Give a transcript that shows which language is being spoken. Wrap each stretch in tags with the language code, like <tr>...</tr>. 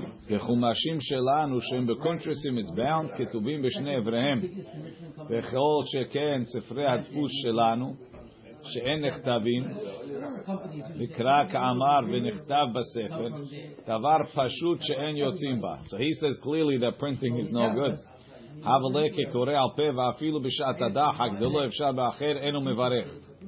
<he>בחומשים שלנו שהם בקונטרסים</he> <en>it's bound</en> <he>כתובים בשני אבריהם וכל שכן ספרי הדפוס שלנו שאין נכתבים לקרא כאמר ונכתב בספר דבר פשוט שאין יוצאים בה.</he> <en>So he says clearly that printing is no good.</en> <he>אבל כקורא על פה ואפילו בשעת הדחק ולא אפשר באחר אינו מברך.</he>